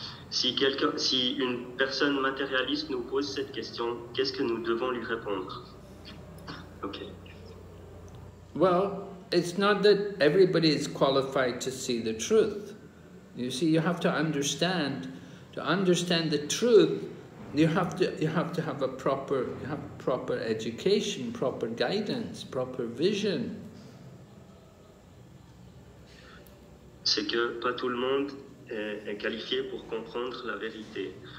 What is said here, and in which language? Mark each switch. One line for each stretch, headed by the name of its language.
French: Si une personne matérialiste nous pose cette question, qu'est-ce que nous devons lui répondre?
English: Okay. Well, it's not that everybody is qualified to see the truth. You see, you have to understand. To understand the truth, you have to have proper education, proper guidance, proper vision.
French: C'est que pas tout le monde est qualifié pour comprendre la vérité.